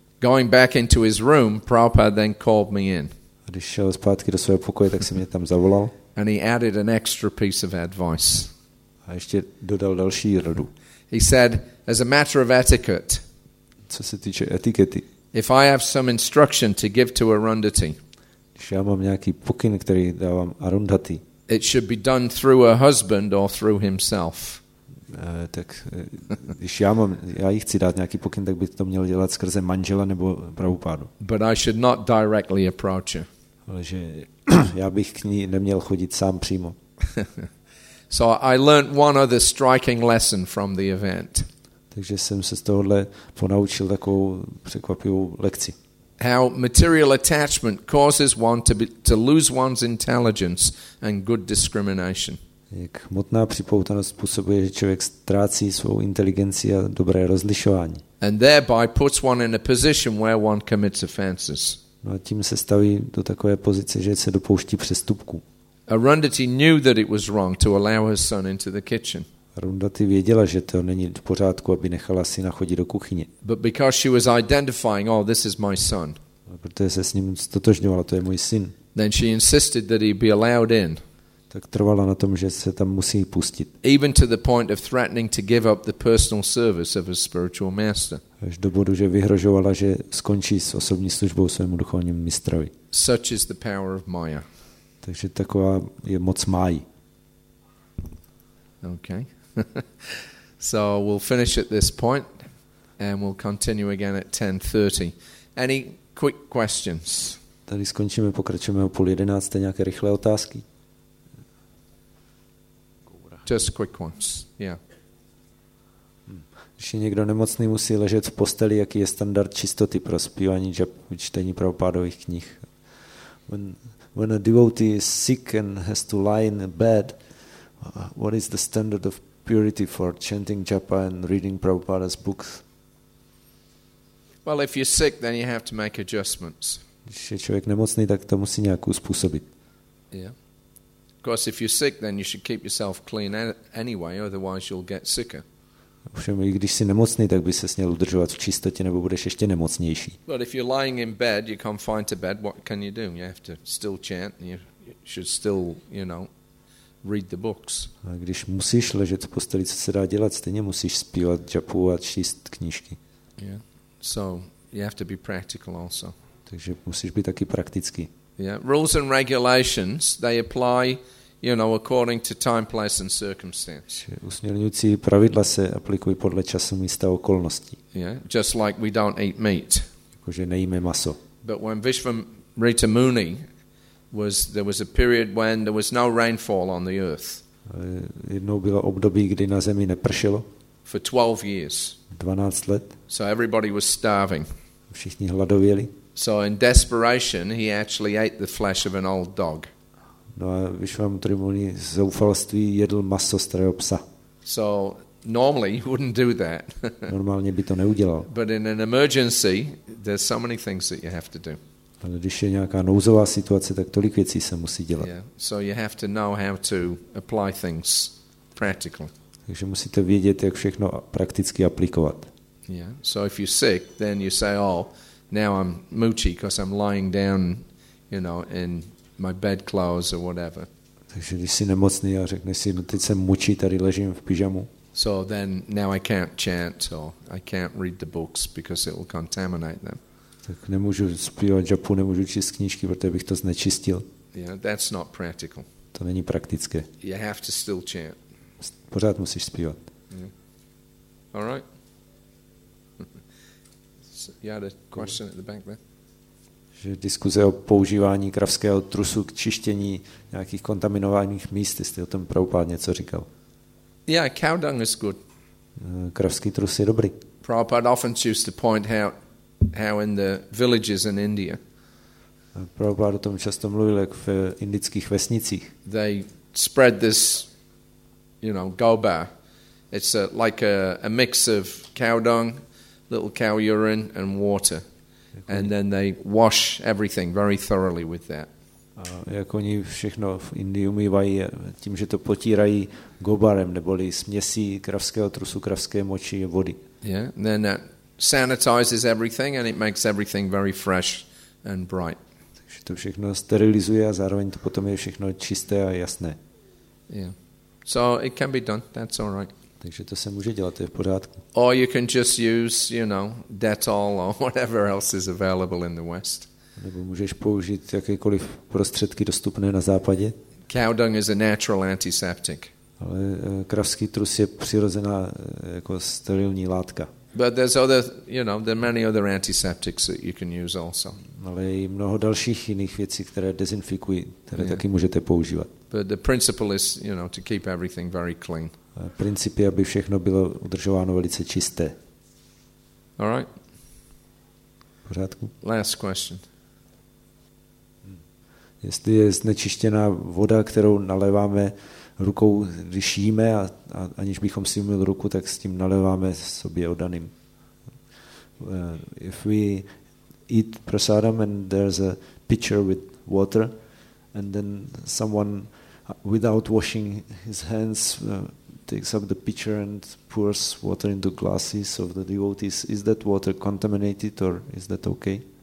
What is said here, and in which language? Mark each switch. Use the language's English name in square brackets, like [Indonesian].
[English] Going back into his room, Prabhupada then called me in. [Czech] A když šel zpátky do svého pokoje, tak si mě tam zavolal. [English] And he added an extra piece of advice. [Czech] A ještě dodal další radu. [English] He said, as a matter of etiquette, [Czech] co se týče etikety, [English] if I have some instruction to give to Arundhati, [Czech] když já mám nějaký pokyn, který dávám Arundhati, [English] it should be done through her husband or through himself. [Czech] Tak když já jí chci dát nějaký pokyn, tak by to měl dělat skrze manžela nebo Prabhupádu. [English] But I should not directly approach her. [Czech] Ale že já bych k ní neměl chodit sám přímo. [English] So I learned one other striking lesson from the event. [Czech] Takže jsem se z tohohle ponaučil takovou překvapivou lekci. [English] How material attachment causes one to lose one's intelligence and good discrimination. [Czech] Jak hmotná připoutanost způsobuje, že člověk ztrácí svou inteligenci a dobré rozlišování. [English] And thereby puts one in a position where one commits offenses. [Czech] No a tím se staví do takové pozice, že se dopouští přestupků. [English] Arundhati knew that it was wrong to allow her son into the kitchen. [Czech] Arundhati věděla, že to není v pořádku, aby nechala syna chodit do kuchyně. [English] But because she was identifying, oh, this is my son. [Czech] Protože se s ním ztotožňovala, to je můj syn. [English] Then she insisted that he be allowed in. [Czech] Tak trvala na tom, že se tam musí pustit. [English] Even to the point of threatening to give up the personal service of his spiritual master. [Czech] Až do bodu, že vyhrožovala, že skončí s osobní službou svému duchovnímu mistrovi. [English] Such is the power of Maya. [Czech] Takže taková je moc mají. [English] Okay. So we'll finish at this point and we'll continue again at 10:30. Any quick questions? [Czech] Tady skončíme, pokračujeme o 10:30, nějaké rychlé otázky? [English] Just quick ones. Yeah. [Czech] Když je někdo nemocný, musí ležet v posteli, jaký je standard čistoty pro zpívání džap, čtení pravopádových knih? [English] When a devotee is sick and has to lie in a bed, what is the standard of purity for chanting japa and reading Prabhupada's books? Well, if you're sick, then you have to make adjustments. [Czech] Když je člověk nemocný, tak to musí nějak uspůsobit. [English] Yeah. Of course, if you're sick, then you should keep yourself clean anyway, otherwise you'll get sicker. [Czech] Ovšem, i když jsi nemocný, tak by ses měl udržovat v čistotě, nebo budeš ještě nemocnější. [English] But if you're lying in bed, you're confined to bed, what can you do? You have to still chant, and you should still, you know, read the books. [Czech] A když musíš ležet v posteli, co se dá dělat? Stejně musíš zpívat džapu a číst knížky. [English] Yeah. So you have to be practical also. [Czech] Takže musíš být taky praktický. [English] Yeah. Rules and regulations, they apply, you know, according to time, place and circumstance. [Czech] Usměrňující pravidla se aplikují podle času, místa a okolností. [English] Yeah, just like we don't eat meat. [Czech] Jakože nejíme maso. [English] But when Vishvamrita Muni was, there was a period when there was no rainfall on the earth. [Czech] Jednou bylo období, kdy na zemi nepršelo. [English] For 12 years. [Czech] 12 let. [English] So everybody was starving. [Czech] Všichni hladověli. [English] So in desperation he actually ate the flesh of an old dog. [Czech] No a Vishvamrita Muni z zoufalství jedl maso starého psa. [English] So normally he wouldn't do that. [Czech] Normálně by to neudělal. [English] But in an emergency there's so many things that you have to do. [Czech] Ale když je nějaká nouzová situace, tak tolik věcí se musí dělat. [English] Yeah. So you have to know how to apply things practically. [Czech] Takže musíte vědět, jak všechno prakticky aplikovat. [English] Yeah. So if you're sick, then you say, "Oh, now I'm moochy because I'm lying down, you know, in my bed clothes or whatever." [Czech] Takže když jsi nemocný a řekneš si, no teď jsem mučí, tady ležím v pyžamu. [English] So then now I can't chant or I can't read the books because it will contaminate them. [Czech] Tak nemůžu zpívat japu, nemůžu číst knížky, protože bych to znečistil. [English] Yeah, that's not practical. [Czech] To není praktické. [English] You have to still chant. [Czech] Pořád musíš zpívat. [English] Yeah. All right. So you had a question at the back there. [Czech] Že diskuze o používání kravského trusu k čištění nějakých kontaminovaných míst, jste o tom Prabhupád něco říkal. [English] Yeah, cow dung is good. [Czech] Kravský trus je dobrý. [English] Prabhupád often used to point how in the villages in India. [Czech] Prabhupád o tom často mluvil, jak v indických vesnicích. [English] They spread this, you know, gobar. It's like a mix of cow dung, little cow urine and water. And then they wash everything very thoroughly with that. [Czech] A jak oni všechno v Indii umývají tím, že to potírají gobarem, neboli směsí kravského trusu, kravské moči a vody. [English] Yeah, and then that sanitizes everything and it makes everything very fresh and bright. [Czech] Takže to všechno sterilizuje a zároveň to potom je všechno čisté a jasné. [English] Yeah. So it can be done, that's all right. [Czech] Takže to se může dělat, to je v pořádku. [English] Or you can just use, you know, Dettol or whatever else is available in the West. [Czech] Nebo můžeš použít jakékoliv prostředky dostupné na západě. [English] Cow dung is a natural antiseptic. [Czech] Ale kravský trus je přirozená jako sterilní látka. [English] But there's other, you know, there are many other antiseptics that you can use also. [Czech] Ale je mnoho dalších jiných věcí, které dezinfikují, které taky můžete používat. [English] But the principle is, you know, to keep everything very clean. [Czech] Princip je, aby všechno bylo udržováno velice čisté. [English] All right. [Czech] Pořádku. [English] Last question. [Czech] Jestli je znečištěná voda, kterou naléváme rukou, když jíme a aniž bychom si umyli ruku, tak s tím naléváme sobě odaným. [English] If we eat prasadam and there's a pitcher with water and then someone without washing his hands takes up the pitcher and pours water into glasses of the devotees. Is that water contaminated or is that okay?